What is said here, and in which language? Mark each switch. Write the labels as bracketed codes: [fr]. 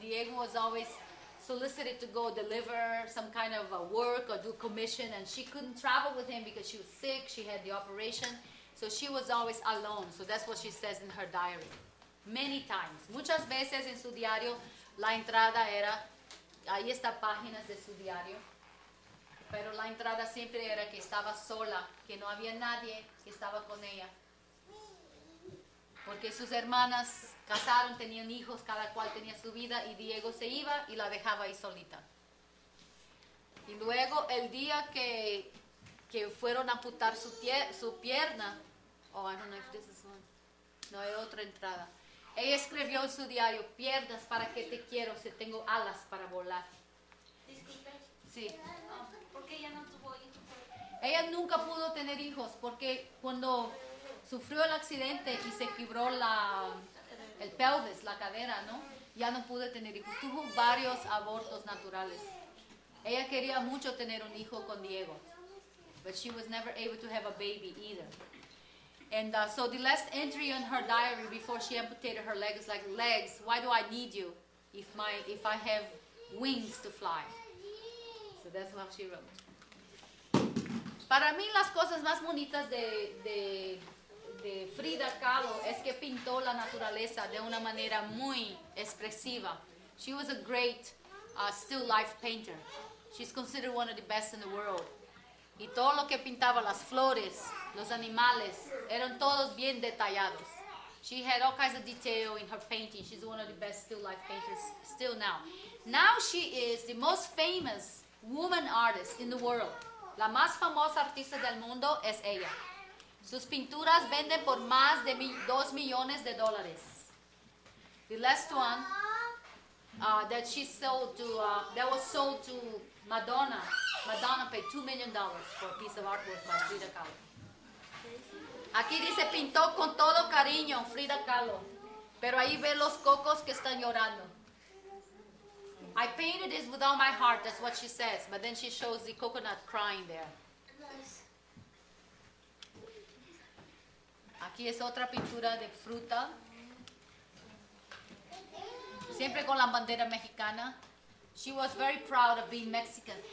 [en] Diego was always solicited to go deliver some kind of a work or do commission, and she couldn't travel with him because she was sick, she had the operation, so she was always alone. So that's what she says in her diary. Many times, [es] muchas veces en su diario, la entrada era, ahí está páginas de su diario, pero la entrada siempre era que estaba sola, que no había nadie que estaba con ella. Porque sus hermanas casaron, tenían hijos, cada cual tenía su vida, y Diego se iba y la dejaba ahí solita. Y luego, el día que fueron a amputar su pierna, [en] oh, I don't know if this is one, [es] no hay otra entrada. Ella escribió en su diario, piernas para que te quiero, si tengo alas para volar. Disculpe. Sí. ¿Por qué ella no tuvo hijos? Ella nunca pudo tener hijos, porque cuando sufrió el accidente y se quebró el pelvis, la cadera, ¿no? Ya no pudo tener hijos. Tuvo varios abortos naturales. Ella quería mucho tener un hijo con Diego. [en] But she was never able to have a baby either. And so the last entry in her diary before she amputated her leg is like, legs, why do I need you if I have wings to fly? So that's what she wrote. [es] Para mí, las cosas más bonitas de Frida Kahlo es que pintó la naturaleza de una manera muy expresiva. [en] She was a great still life painter. She's considered one of the best in the world. [es] Y todo lo que pintaba, las flores, los animales, eran todos bien detallados. [en] She had all kinds of detail in her painting. She's one of the best still life painters still now. Now she is the most famous woman artist in the world. [es] La más famosa artista del mundo es ella. Sus pinturas venden por más de 2 millones de dólares. [en] The last one that she sold to, that was sold to Madonna. Madonna paid $2 million for a piece of artwork by Frida Kahlo. [es] Aquí dice, pintó con todo cariño Frida Kahlo. Pero ahí ve los cocos que están llorando. [en] I painted this with all my heart, that's what she says. But then she shows the coconut crying there. [es] Aquí es otra pintura de fruta. Siempre con la bandera mexicana. [en] She was very proud of being Mexican.